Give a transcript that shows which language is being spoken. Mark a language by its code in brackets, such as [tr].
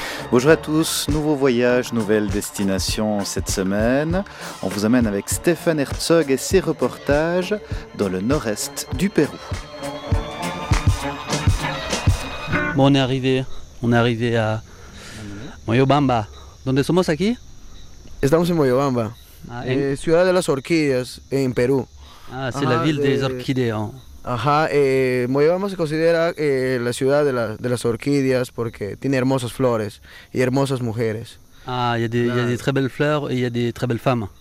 [fr] Bonjour à tous, nouveau voyage, nouvelle destination cette semaine. On vous amène avec Stéphane Herzog et ses reportages dans le nord-est du Pérou. Bon, on est arrivé à Moyobamba. [es] Donde somos aquí? Estamos en Moyobamba, ciudad de las orquídeas en Perú. [fr] Ah, c'est la ville des orchidées. Hein. [es] Ajá, Moyobamba se considera la ciudad de las orquídeas porque tiene hermosas flores y hermosas mujeres. [fr] Ah, [es] y hay [fr] de très belles fleurs y hay de très belles femmes.